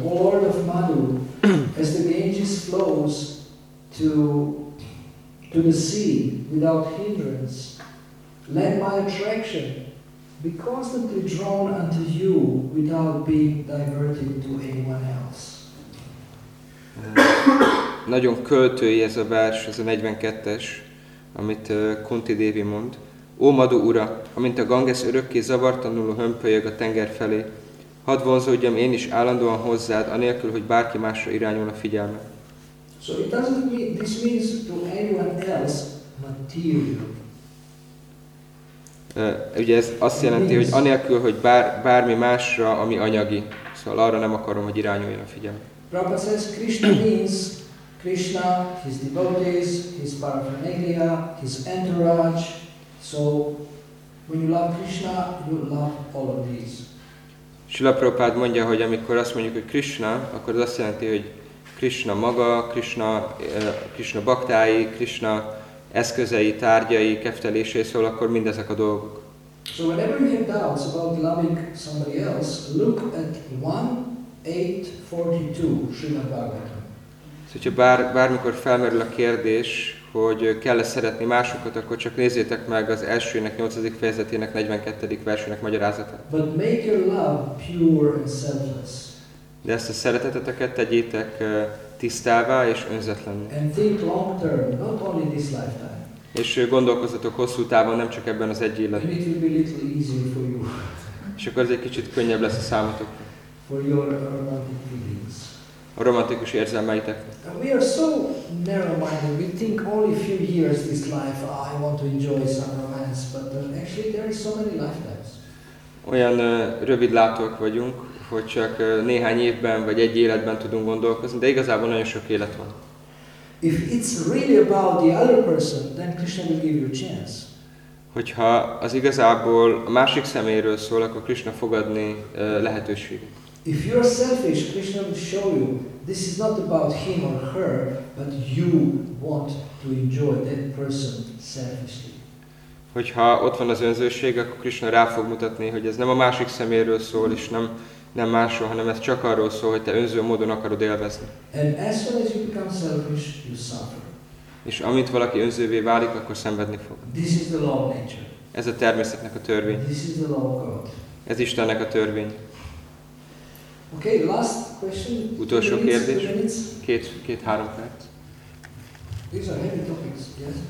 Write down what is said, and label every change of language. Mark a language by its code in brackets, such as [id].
[en] O Lord of Madhu, as the Ganges flows to the sea without hindrance, let my attraction be constantly drawn unto you without being diverted to anyone else. [hu] Nagyon költői ez a vers, ez a 42-es, amit Kunti Dévi mond. Ó Madhu ura, amint a Ganges örökké zavartanul hömpölyög a tenger felé, hadd vonzódjam én is állandóan hozzád, anélkül, hogy bárki másra irányul a figyelme. [en] So it doesn't mean, this means to anyone else, but to you. [hu] Ugye ez azt jelenti, hogy anélkül, hogy bármi másra, ami anyagi, szóval arra nem akarom, hogy irányuljon a figyelme. [en] Prabhupada says Krishna means Krishna, his devotees, his paraphernalia, his entourage. So, when you love Krishna, you love all of these. [hu] Srila Prabhupada mondja, hogy amikor azt mondjuk, hogy Krishna, akkor az azt jelenti, hogy Krishna maga, Krishna baktái, Krishna eszközei, tárgyai, keftelései, szóval akkor mindezek a dolgok. [en] So whenever you have doubts about loving somebody else, look at 1842 [hu] Szóval bármikor felmerül a kérdés, hogy kell-e szeretni másokat, akkor csak nézzétek meg az elsőnek, 8. fejezetének, 42. versének magyarázatát. [en] But make your love pure and selfless. [hu] De ezt a szereteteteket tegyétek tisztává és önzetlenül. [en] And think long term, not only this lifetime. [hu] És gondolkozzatok hosszú távon, nem csak ebben az egy életben. [en] And it will be a little easier for you. [hu] És akkor ez egy kicsit könnyebb lesz a számotokra. [en] For your romantic feelings. [hu] A romantikus érzelmeitek. [en] We are so narrow-minded. We think only a few years this life. I want to enjoy some romance, but actually there is so many lifetimes. [hu] Olyan rövidlátók vagyunk, hogy csak néhány évben vagy egy életben tudunk gondolkozni, de igazából nagyon sok élet van. [en] If it's really about the other person, then Krishna will give you a chance. [hu] Hogyha az igazából a másik szeméről szól, akkor Krishna fog adni lehetőséget. [en] If you are selfish, Krishna will show you this is not about him or her, but you want to enjoy that person selfishly. [hu] Hogyha ott van az önzőség, akkor Krishna rá fog mutatni, hogy ez nem a másik szeméről szól, és nem másról, hanem ez csak arról szól, hogy te önző módon akarod élvezni. [en] And as soon as you become selfish, you suffer. [hu] És amint valaki önzővé válik, akkor szenvedni fog. [en] This is the law of nature. [hu] Ez a természetnek a törvény. [en] This is the law of God. [hu] Ez Istennek a törvény. [en] Okay, last question. [hu] Utolsó kérdés. Két-három perc. [en] These are heavy topics, yes.